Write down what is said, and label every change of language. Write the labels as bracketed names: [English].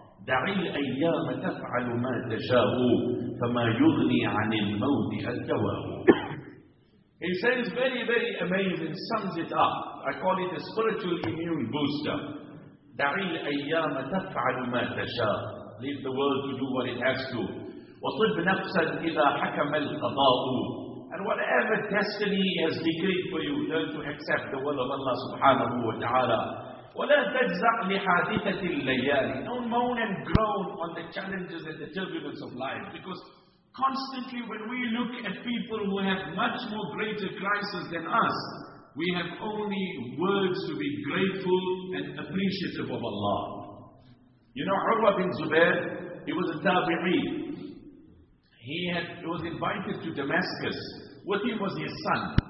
[Arabic] دع الأيام تفعل ما تشاء فما يغني عن الموت الدواء. [English] He says very, very amazing, sums it up. I call it a spiritual immune booster. [Arabic] دع الأيام تفعل ما تشاء. [English] Leave the world to do what it has to. [Arabic] وطب نفسا إذا حكم القضاء. [English] And whatever destiny has decreed for you, learn to accept the will of Allah subhanahu wa ta'ala. [Arabic] ولا تجزع لحادثة الليالي. [English] Don't moan and groan on the challenges and the turbulence of life. Because constantly when we look at people who have much more greater crisis than us, we have only words to be grateful and appreciative of Allah. You know, Urwa bin Zubair, he was a tabi'i. He was invited to Damascus. With him was his son.